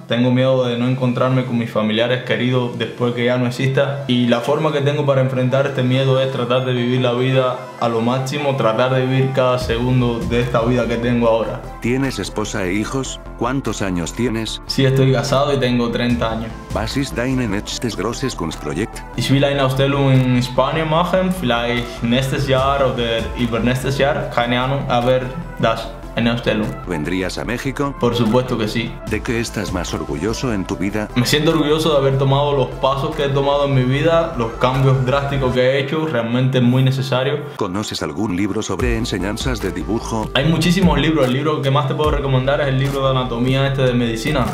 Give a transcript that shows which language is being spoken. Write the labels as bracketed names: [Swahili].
[Spanish] Tengo miedo de no encontrarme con mis familiares queridos después que ya no exista. Y la forma que tengo para enfrentar este miedo es tratar de vivir la vida a lo máximo, tratar de vivir cada segundo de esta vida que tengo ahora. ¿Tienes esposa e hijos? ¿Cuántos años tienes? Sí, estoy casado y tengo 30 años. [German] ¿Was ist deine nächstes großes Kunstprojekt? Ich will eine Ausstellung in Spanien machen, vielleicht nächstes Jahr oder übernächstes Jahr, keine Ahnung, aber das. En Ausstellung. [Spanish] ¿Vendrías a México? Por supuesto que sí. ¿De qué estás más orgulloso en tu vida? Me siento orgulloso de haber tomado los pasos que he tomado en mi vida, los cambios drásticos que he hecho, realmente muy necesario. ¿Conoces algún libro sobre enseñanzas de dibujo? Hay muchísimos libros. El libro que más te puedo recomendar es el libro de anatomía este de medicina.